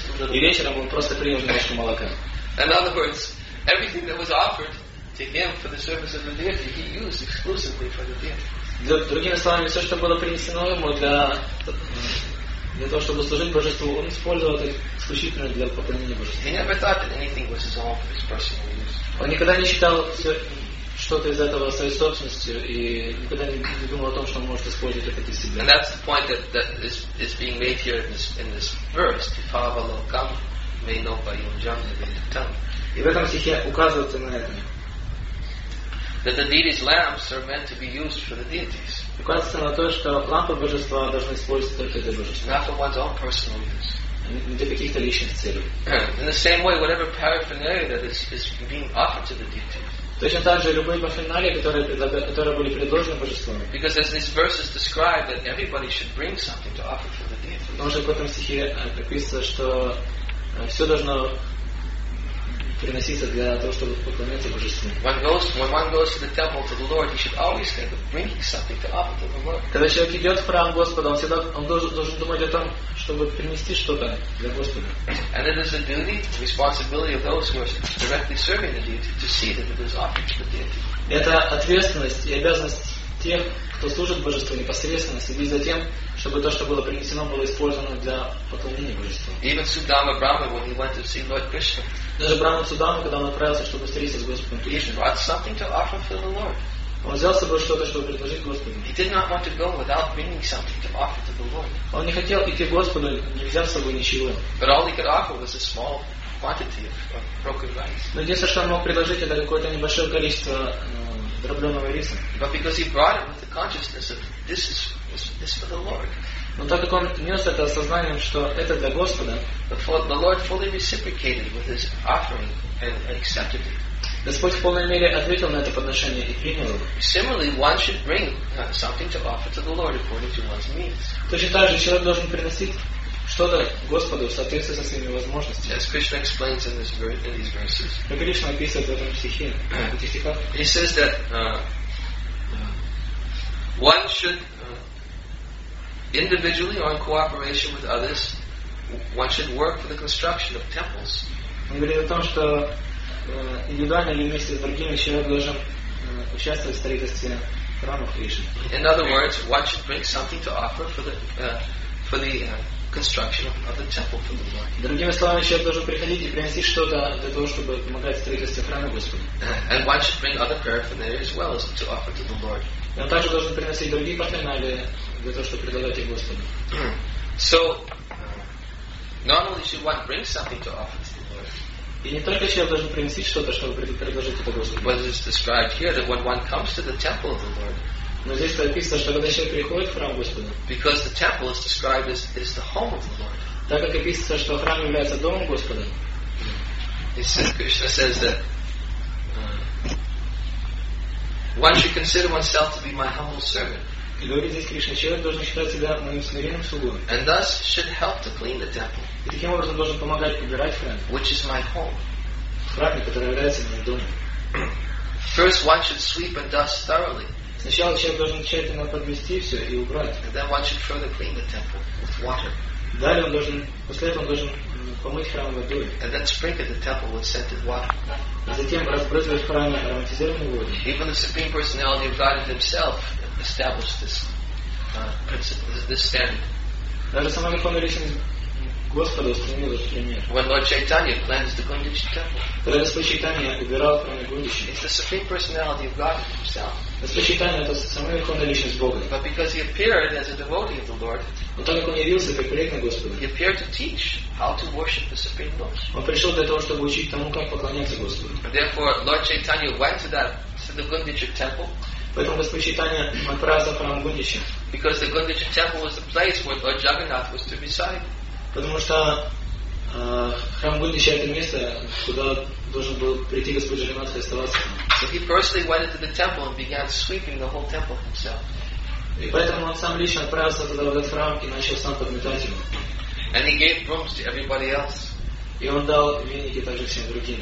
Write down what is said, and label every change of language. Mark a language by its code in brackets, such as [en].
[ru] И вечером он просто принял немножко молока. [en] In other words, everything that was offered to him for the service of the deity, he used exclusively for the deity. [ru] Другими словами, все, что было принесено ему для того, чтобы служить Божеству, он использовал это исключительно для поклонения Божеству. [en] He never thought that anything was his own for his personal use. [ru] Он никогда не считал все. Что-то из этого своей собственностью и никогда не думал о том, что он может использовать это для себя. [en] And that's the point that is being made here in this verse. [sa] Tipavalokam me no payum jan nivedatam. [ru] И в этом стихе указывается на это. [en] That the deity's lamps are meant to be used for the deities. [ru] Указывается на то, что лампы Божества должны использоваться только для Божества. [en] Not for one's own personal use. [ru] Для каких-то личных целей. [en] In the same way, whatever paraphernalia that is being offered to the deities. [ru] Точно так же любые парафернали, которые были предложены Божеством. [en] Because as these verses describe that everybody should bring something to offer for the deity. [ru] Потому что в этом стихе написано, что все должно приноситься для того, чтобы поклоняться Божеству. [en] When one goes to the temple to the Lord, he should always think of bringing something to offer to the Lord. [ru] Когда человек идет в храм Господа, он должен думать о том, чтобы принести что-то для Господа. [en] And it is the duty, the responsibility of those who are directly serving the deity to see that it is offered to the deity. [ru] Это ответственность и обязанность тех, кто служит Божеству непосредственно, следить за тем, чтобы то, что было принесено, было использовано для поклонения Божеству. [en] Even Sudama Brahma, when he went to see Lord Krishna. [ru] Даже Брама Судама, когда он отправился, чтобы встретиться с Господом Кришной. [en] He brought something to offer for the Lord. [ru] Он взял с собой что-то, чтобы предложить Господу. [en] He did not want to go without bringing something to offer to the Lord. [ru] Он не хотел идти к Господу, не взял с собой ничего. [en] But all he could offer was a small quantity of broken rice. [ru] Но единственное, что он мог предложить, это какое-то небольшое количество дробленого риса. [en] But because he brought it with the consciousness of this is for the Lord. [ru] Но так как он нес это осознанием, что это для Господа, [en] the Lord fully reciprocated with his offering and accepted it. [ru] Господь в полной мере ответил на это подношение и принял его. [en] Similarly, one should bring something to offer to the Lord according to one's means. [ru] Точно так же человек должен приносить что-то Господу в соответствии со своими возможностями. [en] As Krishna explains in these verses. [ru] Как Кришна описывает в этом стихе, в этих стихах. [en] He says that one should individually or in cooperation with others, one should work for the construction of temples. [ru] Он говорит о том, что индивидуально или вместе с другими человек должен участвовать в строительстве храмов Кришны. [en] In other words, one should bring something to offer for the construction of the temple for the Lord. [ru] Другими словами, человек должен приходить и принести что-то для того, чтобы помогать в строительстве храма Господа. [en] And one should bring other paraphernalia as well as to offer to the Lord. [ru] И он также должен приносить другие парафернали для того, чтобы предлагать их Господу. [en] So, not only should one bring something to offer to the Lord. [ru] И не только человек должен принести что-то, чтобы предложить это Господу. [en] But it's described here that when one comes to the temple of the Lord. [ru] Но здесь написано, что когда человек приходит в храм Господа. [en] Because the temple is described as the home of the Lord. [ru] Так как описано, что храм является домом Господа. [en] Krishna says that. One should consider oneself to be my humble servant. [ru] И говорит здесь Кришна, человек должен считать себя моим смиренным слугой. [en] And thus should help to clean the temple. [ru] И таким образом должен помогать убирать храм. [en] Which is my home. [ru] Храм, который является моим домом. [en] First one should sweep and dust thoroughly. [ru] Сначала человек должен тщательно подвести все и убрать. [en] And then one should further clean the temple with water. [ru] Далее он должен, после этого он должен помыть храм водой. [en] And then sprinkle the temple with scented water. [ru] И затем разбрызгивать храм ароматизированной водой. [en] Even the supreme personality of Godhead himself established this principle, this standard. [ru] Даже сама верховная личность Господа установила этот пример. [en] When Lord Chaitanya cleansed the Gaudiya temple. [ru] Когда Господь Чайтанья убирал храм Гаудиши. [en] It's the supreme personality of God himself. [ru] Господь Чайтанья — это сама верховная личность Бога. [en] But because he appeared as a devotee of the Lord. [ru] Но так как он явился как преданный Господу. [en] He appeared to teach how to worship the supreme Lord. [ru] Он пришел для того, чтобы учить тому, как поклоняться Господу. [en] Therefore, Lord Chaitanya went to the Gaudiya temple. [ru] Поэтому Господь Чайтанья отправился в храм Гаудиши. [en] Because the Gaudiya temple was the place where Lord Jagannath was to reside. [ru] Потому что храм Гаудиши — это место, куда должен был прийти Господь Джаганнат и оставаться. [en] So he personally went into the temple and began sweeping the whole temple himself. [ru] И поэтому он сам лично отправился туда в этот храм и начал сам подметать его. [en] And he gave brooms to everybody else. [ru] И он дал веники также всем другим.